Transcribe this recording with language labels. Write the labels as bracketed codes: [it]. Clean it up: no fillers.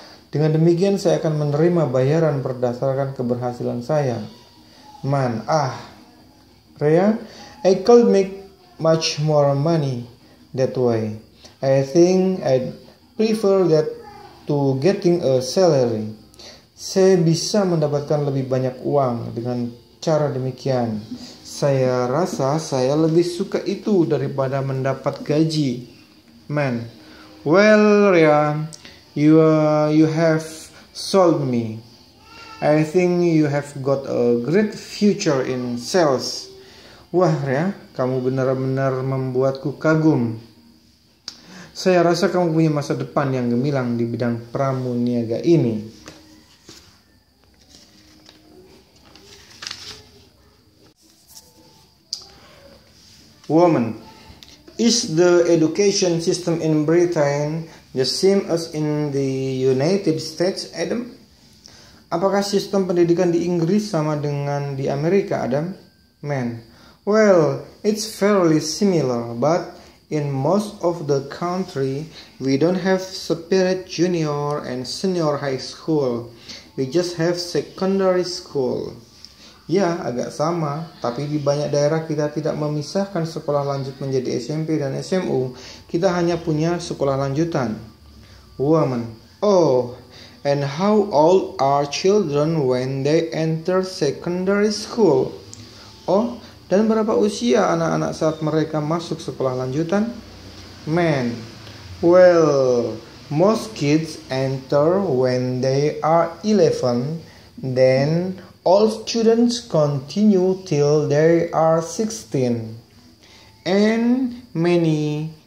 [id] Dengan demikian, saya akan menerima bayaran berdasarkan keberhasilan saya. [en] Man, Rhea, I could make much more money that way. I think I'd prefer that to getting a salary. [id] Saya bisa mendapatkan lebih banyak uang dengan cara demikian. Saya rasa saya lebih suka itu daripada mendapat gaji. [en] Man, well, Rhea, you have sold me. I think you have got a great future in sales. [id] Wah, Rhea, kamu benar-benar membuatku kagum. Saya rasa kamu punya masa depan yang gemilang di bidang pramuniaga ini. [en] Woman, is the education system in Britain the same as in the United States, Adam? [id] Apakah sistem pendidikan di Inggris sama dengan di Amerika, Adam? [en] Man, well, it's fairly similar, but in most of the country, we don't have separate junior and senior high school. We just have secondary school. [id] Ya, agak sama, tapi di banyak daerah kita tidak memisahkan sekolah lanjut menjadi SMP dan SMU. Kita hanya punya sekolah lanjutan. [en] Woman, and how old are children when they enter secondary school? [id] Oh, dan berapa usia anak-anak saat mereka masuk sekolah lanjutan? [en] Man, well, most kids enter when they are 11, then all students continue till they are 16. And many